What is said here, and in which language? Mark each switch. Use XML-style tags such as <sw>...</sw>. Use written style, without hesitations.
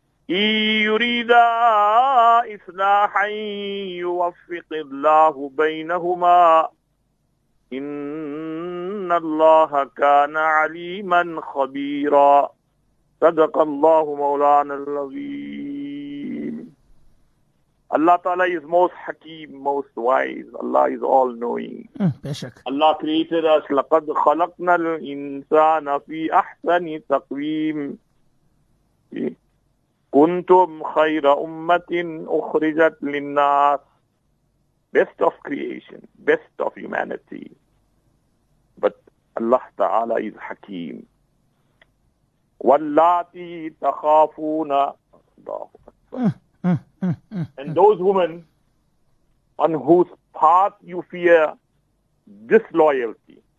<ar>إن يريدا إصلاحا يوفق الله بينهما إن الله كان عليما خبيرا صدق الله مولانا العظيم.</ar> <en>Allah Ta'ala is most hakeem, most wise. Allah is all knowing. Allah created us.</en> <ar>لقد خلقنا الإنسان في أحسن تقويم. كنتم خير أمة أخرجت للناس.</ar> <en>Best of creation, best of humanity. But Allah Ta'ala is hakeem.</en> <ar>واللاتي تخافون الله</ar> <en>and those women on whose part you fear disloyalty.</en>